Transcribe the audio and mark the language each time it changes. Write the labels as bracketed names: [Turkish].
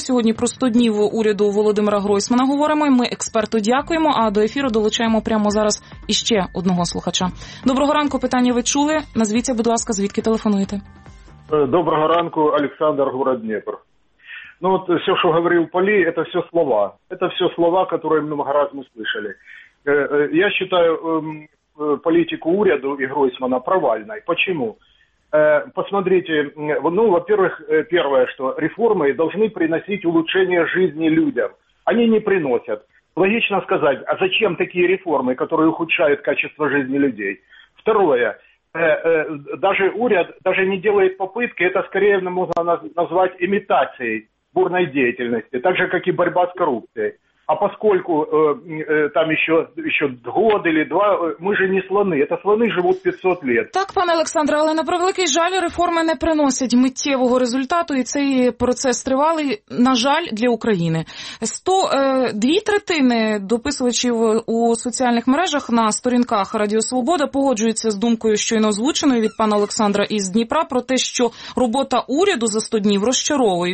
[Ukrainian] Сьогодні про 100 днів уряду Володимира Гройсмана говоримо. Ми експерту дякуємо, а до ефіру долучаємо прямо зараз іще одного слухача. Доброго ранку, питання ви чули. Назвіться, будь ласка, звідки телефонуєте? Доброго ранку, Олександр, город Дніпр. Ну, от все, що говорив Палі, це все слова. Це все слова, які ми багато разів слышали. Я вважаю [Russian] политику уряду и Гройсмана провальной. Почему? Посмотрите, ну, во-первых, первое, что реформы должны приносить улучшение жизни людям. Они не приносят. Логично сказать, а зачем такие реформы, которые ухудшают качество жизни людей? Второе, даже уряд даже не делает попытки, это скорее можно назвать имитацией бурной деятельности, так же, как и борьба с коррупцией. А поскольку там еще год или два, мы же не слоны. Это слоны живут 500 лет. [Ukrainian] Так, пане Олександре, але на превеликий жаль, реформи не приносять миттєвого результату, і цей процес тривалий, на жаль, для України. Дві третини дописувачів у соціальних мережах на сторінках Радіо Свобода погоджуються з думкою щойно озвученою від пана Олександра із Дніпра про те, що робота уряду за 100 днів розчаровує.